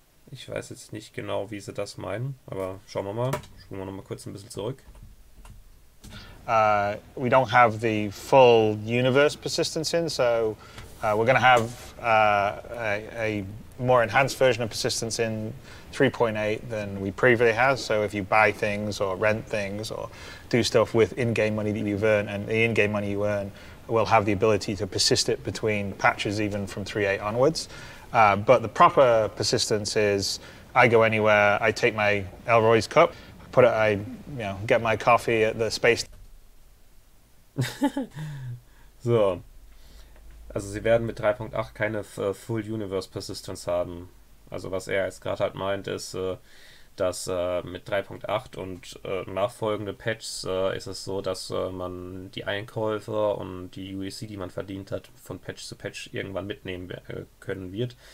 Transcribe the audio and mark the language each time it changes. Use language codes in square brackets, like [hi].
[de] Ich weiß jetzt nicht genau, wie sie das meinen, aber schauen wir mal. Schauen wir nochmal kurz ein bisschen zurück. [en] We don't have the full universe persistence in, so we're going to have a more enhanced version of persistence in 3.8 than we previously have. So if you buy things or rent things or do stuff with in-game money that you've earned, and the in-game money you earn will have the ability to persist it between patches even from 3.8 onwards. But the proper persistence is I go anywhere, I take my Elroy's cup, put it, I, you know, get my coffee at the space. So. [de] Also sie werden mit 3.8 keine Full Universe Persistence haben. Also was er jetzt gerade halt meint, ist, dass mit 3.8 und nachfolgende Patches ist es so, dass man die Einkäufe und die UEC, die man verdient hat, von Patch zu Patch irgendwann mitnehmen können wird.